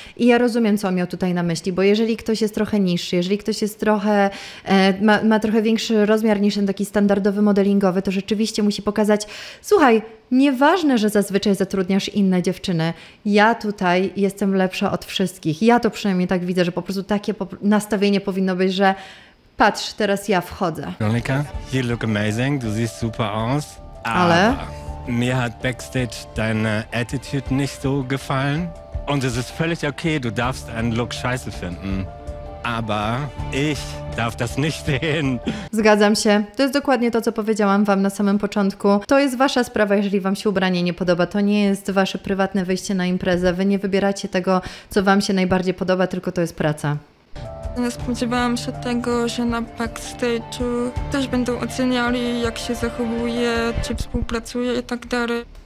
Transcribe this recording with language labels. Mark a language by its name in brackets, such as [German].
[Polish] I ja rozumiem, co on miał tutaj na myśli, bo jeżeli ktoś jest trochę niższy, jeżeli ktoś jest trochę ma trochę większy rozmiar niż ten taki standardowy modelingowy, to rzeczywiście musi pokazać, słuchaj, nieważne, że zazwyczaj zatrudniasz inne dziewczyny, ja tutaj jestem lepsza od wszystkich. Ja to przynajmniej tak widzę, że po prostu takie nastawienie powinno być, że patrz, teraz ja wchodzę. [German] Weronika, [English] you look amazing, [German] du siehst super aus. [Polish] Ale [German] mir hat backstage deine Attitude nicht so gefallen und es ist völlig okay, du darfst einen Look scheiße finden, aber ich darf das nicht sehen. [Polish] Zgadzam się. To jest dokładnie to, co powiedziałam wam na samym początku. To jest wasza sprawa, jeżeli wam się ubranie nie podoba. To nie jest wasze prywatne wyjście na imprezę. Wy nie wybieracie tego, co wam się najbardziej podoba, tylko to jest praca. Nie spodziewałam się tego, że na backstage'u też będą oceniali, jak się zachowuje, czy współpracuje i tak dalej.